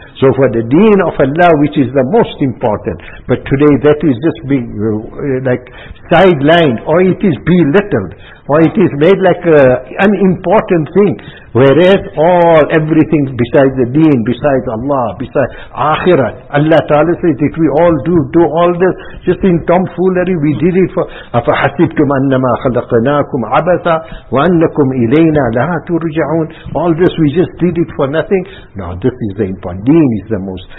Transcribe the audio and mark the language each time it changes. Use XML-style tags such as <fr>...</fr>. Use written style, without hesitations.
<en>So for the deen of Allah, which is the most important, but today that is just being like sidelined, or it is belittled, or it is made like an unimportant thing, whereas all everything besides the deen, besides Allah, besides akhirah, Allah Ta'ala says that we all do all this just in tomfoolery. We did it for</en> <ar>أَفَحَسِبْتُمْ أَنَّمَا خَلَقْنَاكُمْ عَبَثًا وَأَنَّكُمْ إِلَيْنَا لَا تُرْجَعُونَ.</ar> <en>All this we just did it for nothing. Now this is the important, deen is the most.</en>